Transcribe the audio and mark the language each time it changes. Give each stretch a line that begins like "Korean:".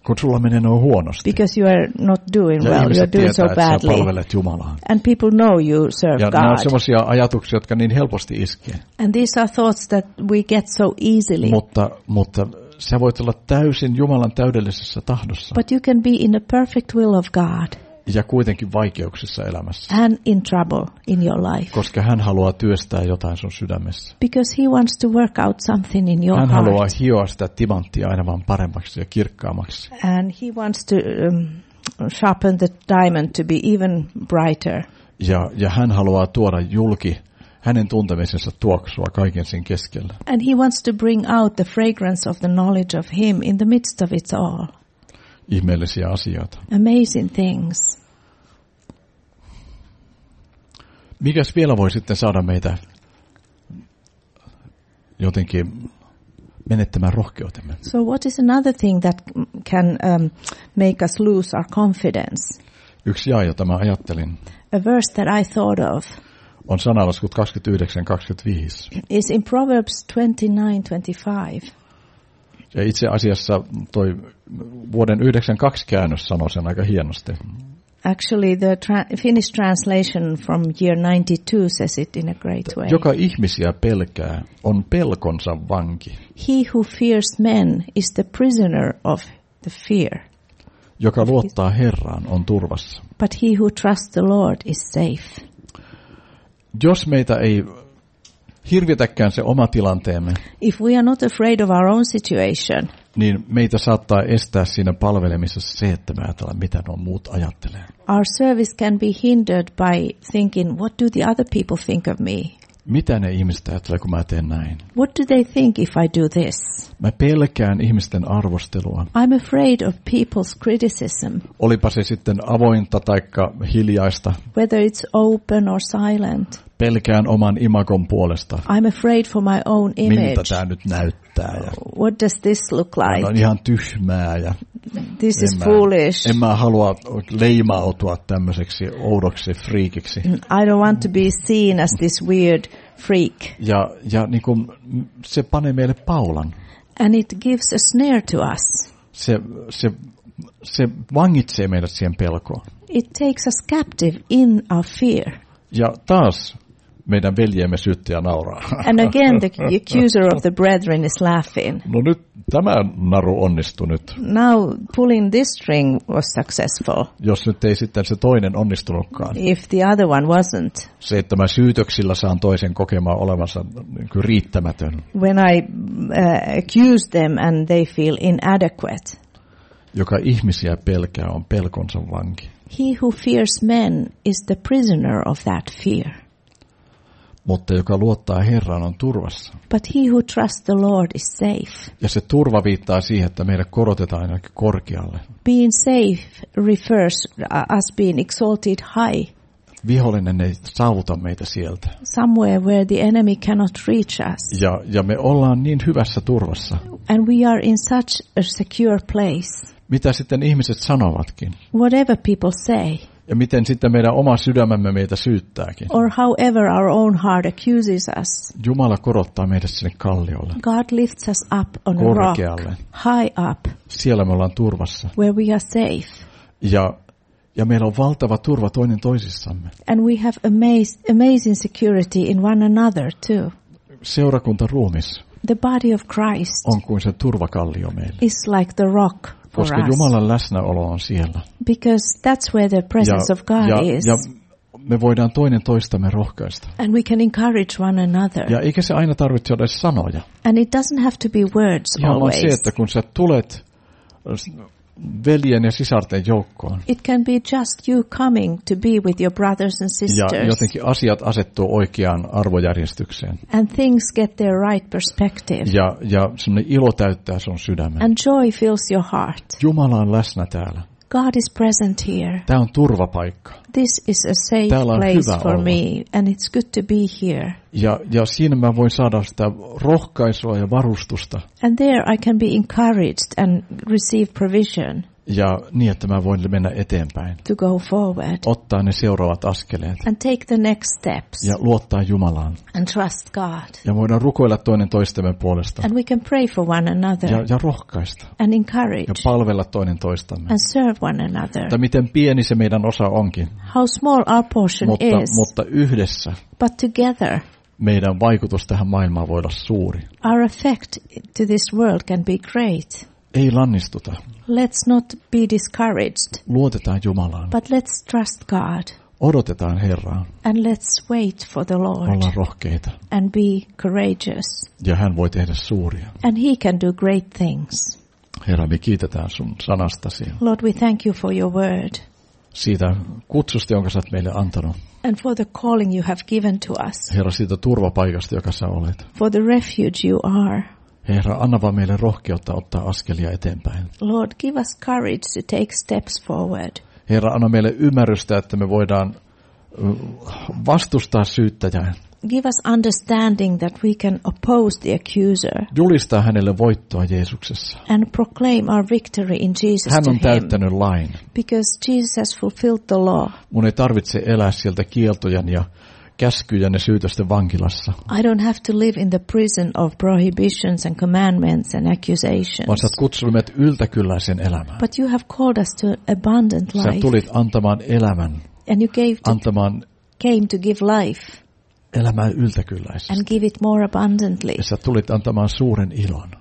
Finnish: Kun sulla menee noin huonosti.
English: Because you are not doing
Finnish: ja
English: well, you are doing so badly.
Finnish: Ja ihmiset palvelet Jumalaa.
English: And people know you serve
Finnish: ja
English: God.
Finnish: Ja nämä on semmoisia ajatuksia, jotka niin helposti iskee.
English: And these are thoughts that we get so easily.
Finnish: Mutta sä voit olla täysin Jumalan täydellisessä tahdossa.
English: But you can be in a perfect will of God.
Finnish: Ja kuitenkin vaikeuksissa elämässä.
English: And in trouble in your life.
Finnish: Koska hän haluaa työstää jotain sun sydämessä.
English: Because he wants to work out something in your heart.
Finnish: Hän haluaa hioa sitä timanttia aina vaan paremmaksi ja kirkkaammaksi.
English: And he wants to sharpen the diamond to be even brighter.
Finnish: Ja hän haluaa tuoda julki hänen tuntemisensa tuoksua kaiken sen keskellä.
English: And he wants to bring out the fragrance of the knowledge of him in the midst of it all.
Finnish: Ihmeellisiä asioita.
English: Amazing things.
Finnish: Mikäs vielä voi sitten saada meitä jotenkin menettämään rohkeutemme?
English: So what is another thing that can make us lose our confidence?
Finnish: Yksi jae, jota mä ajattelin.
English: A verse that I thought of.
Finnish: On sanalaskut 29:25.
English: Is in Proverbs 29:25.
Finnish: Ja itse asiassa toi vuoden 92 käännös sanoi sen aika hienosti.
English: Actually the Finnish translation from year 92 says it in a great way.
Finnish: Joka ihmisiä pelkää on pelkonsa vanki.
English: He who fears men is the prisoner of the fear.
Finnish: Joka luottaa Herraan on turvassa.
English: But he who trusts the Lord is safe.
Finnish: Jos meitä ei hirvitäkään se oma tilanteemme.
English: If we are not afraid of our own situation.
Finnish: Niin meitä saattaa estää siinä palvelemisessa se, että me ajatellaan, mitä nuo muut ajattelee.
English: Our service can be hindered by thinking, what do the other people think of me?
Finnish: Mitä ne ihmiset ajattelee, kun mä teen näin?
English: What do they think if I do this?
Finnish: Mä pelkään ihmisten arvostelua.
English: I'm afraid of people's criticism.
Finnish: Olipa se sitten avointa taikka hiljaista.
English: Whether it's open or silent.
Finnish: Pelkään oman imagon puolesta.
English: I'm afraid for my own image.
Finnish: Miltä tää nyt näyttää? Ja
English: what does this look like?
Finnish: Mä oon ihan tyhmää ja
English: this is foolish.
Finnish: En mä halua leimautua tämmöiseksi oudoksi friikiksi.
English: I don't want to be seen as this weird freak.
Finnish: Ja niin kun se panee meille paulan.
English: And it gives a snare to us.
Finnish: se vangitsee meidät siihen pelkoon.
English: It takes us captive in our fear.
Finnish: Ja taas meidän veljemme syyttäjä nauraa.
English: And again the accuser of the brethren is laughing.
Finnish: No nyt tämä naru onnistui nyt.
English: Now pulling this string was successful.
Finnish: Jos nyt ei sitten se toinen onnistunutkaan.
English: If the other one wasn't.
Finnish: Se, että mä syytöksillä saan toisen kokemaan olevansa niin kuin riittämätön.
English: When I accuse them and they feel inadequate.
Finnish: Joka ihmisiä pelkää on pelkonsa vanki.
English: He who fears men is the prisoner of that fear.
Finnish: Mutta joka luottaa Herraan on turvassa.
English: But he who trusts the Lord is safe.
Finnish: Ja se turva viittaa siihen, että meidät korotetaan ainakin korkealle.
English: Being safe refers us being exalted high.
Finnish: Vihollinen ei saavuta meitä sieltä.
English: Somewhere where the enemy cannot reach us.
Finnish: Ja me ollaan niin hyvässä turvassa.
English: And we are in such a secure place.
Finnish: Mitä sitten ihmiset sanovatkin?
English: Whatever people say.
Finnish: Ja miten sitten meidän oma sydämemme meitä syyttääkin?
English: Or however our own heart accuses us.
Finnish: Jumala korottaa meidät sinne kalliolle.
English: God lifts us up on
Finnish: korkealle.
English: A rock. High up.
Finnish: Siellä me ollaan turvassa.
English: Where we are safe.
Finnish: Ja meillä on valtava turva toinen toisissamme.
English: And we have amazing security in one another too.
Finnish: Seurakunta ruumis.
English: The body of Christ.
Finnish: On kuin se turvakallio meille.
English: Is like the rock.
Finnish: Koska Jumalan läsnäolo on siellä.
English: Because that's where the presence of God is.
Finnish: Ja me voidaan toinen toistamme rohkaista.
English: And we can encourage one another.
Finnish: Ja eikä se aina tarvitse olla sanoja.
English: And it doesn't have to be words always.
Finnish: Ihan on se, että kun sä tulet veljen ja sisarten joukkoon.
English: It can be just you coming to be with your brothers and sisters.
Finnish: Ja jotenkin asiat asettuu oikeaan arvojärjestykseen.
English: And things get their right perspective.
Finnish: Ja semmoinen ilo täyttää sun sydämen.
English: And joy fills your heart.
Finnish: Jumala on läsnä täällä.
English: God is present here.
Finnish: Tämä on turvapaikka.
English: This is a safe place for me and it's good to be here.
Finnish: Ja siinä mä voin saada sitä rohkaisua ja varustusta.
English: And there I can be encouraged and receive provision.
Finnish: Ja niin, että mä voin mennä eteenpäin.
English: To go forward.
Finnish: Ottaa ne seuraavat askeleet.
English: And take the next steps.
Finnish: Ja luottaa Jumalaan.
English: And trust God.
Finnish: Ja voidaan rukoilla toinen toistemme puolesta.
English: And we can pray for one another.
Finnish: Ja rohkaista.
English: And encourage.
Finnish: Ja palvella toinen toistamme.
English: And serve one another.
Finnish: Tai miten pieni se meidän osa onkin.
English: How small our portion is.
Finnish: Mutta yhdessä.
English: But together.
Finnish: Meidän vaikutus tähän maailmaan voi olla suuri.
English: Our effect to this world can be great.
Finnish: Ei lannistuta.
English: Let's not be discouraged.
Finnish: Luotetaan Jumalaan.
English: But let's trust God.
Finnish: Odotetaan Herraa.
English: And let's wait for the Lord.
Finnish: Ollaan rohkeita.
English: And be courageous.
Finnish: Ja hän voi tehdä suuria.
English: And he can do great things.
Finnish: Herra, me kiitetään sun sanastasi.
English: Lord, we thank you for your word.
Finnish: Siitä kutsusta, jonka sä oot meille antanut.
English: And for the calling you have given to us.
Finnish: Herra, siitä turvapaikasta, joka sä olet.
English: For the refuge you are.
Finnish: Herra, anna vaan meille rohkeutta ottaa askelia eteenpäin.
English: Lord, give us courage to take steps forward.
Finnish: Herra, anna meille ymmärrystä, että me voidaan vastustaa syyttäjää.
English: Give us understanding that we can oppose the accuser.
Finnish: Julistaa hänelle voittoa Jeesuksessa.
English: And proclaim our victory in Jesus.
Finnish: Hän on täyttänyt lain.
English: Because Jesus has fulfilled the law.
Finnish: Mun ei tarvitse elää sieltä kieltojen ja käskyjen ja syytösten vankilassa.
English: I don't have to live in the prison of prohibitions and commandments and accusations.
Finnish: Vaan sä oot kutsunut meidät yltäkylläisen elämään.
English: But you have called us to abundant life.
Finnish: Sä tulit antamaan elämän.
English: And you gave to,
Finnish: antamaan
English: came to give life.
Finnish: Elämään yltäkylläisesti.
English: And give it more abundantly.
Finnish: Ja sä tulit antamaan suuren ilon.